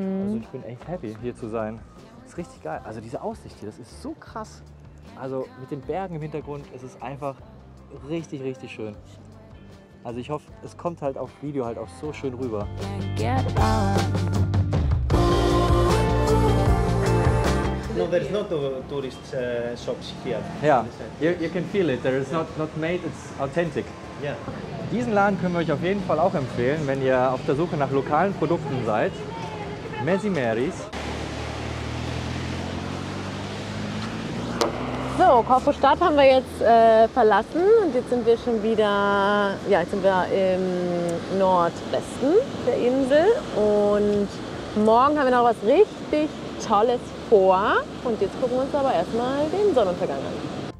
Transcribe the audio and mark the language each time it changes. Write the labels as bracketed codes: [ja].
[de] Also ich bin echt happy, hier zu sein. Ist richtig geil. Also diese Aussicht hier, das ist so krass. Also mit den Bergen im Hintergrund, es ist einfach richtig, richtig schön. Also ich hoffe, es kommt halt auf Video halt auch so schön rüber. [en] No, there is not a tourist shops here. Ja, you can feel it. There is not made, it's authentic. Yeah. [de] Diesen Laden können wir euch auf jeden Fall auch empfehlen, wenn ihr auf der Suche nach lokalen Produkten seid. Messy Mary's. So, Korfu Stadt haben wir jetzt verlassen und jetzt sind wir schon wieder, ja, jetzt sind wir im Nordwesten der Insel und morgen haben wir noch was richtig Tolles vor und jetzt gucken wir uns aber erstmal den Sonnenuntergang an.